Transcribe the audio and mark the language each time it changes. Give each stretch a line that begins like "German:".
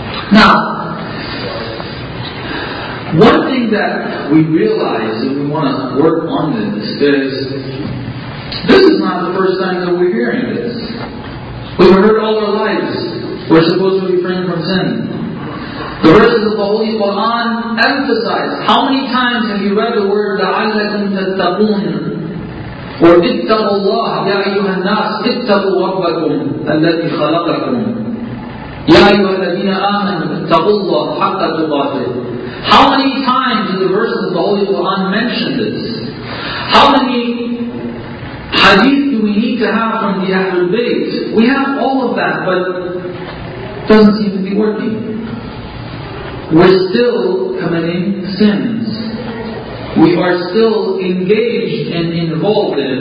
English: Now, one thing that we realize, and we want to work on this, is this is not the first time that we're hearing this. We've heard all our lives, we're supposed to refrain from sin. The verses of the Holy Quran emphasize, how many times have you read the word,
Arabic: لَعَلَّكُمْ تَتَّقُونَ or اتَّقُوا اللَّهِ يَا أَيُّهَا النَّاسِ اتَّقُوا رَبَّكُمْ الَّذِي خَلَقَكُمْ يَا أَيُّهَا الَّذِينَ آمَنُوا اتَّقُوا اللَّهِ حَقَّ تُقَاتِهِ.
English: How many times do the verses of the Holy Quran mention this? How many hadith do we need to have from the Ahlul Bayt? We have all of that, but it doesn't seem to be working. We're still committing sins. We are still engaged and involved in it.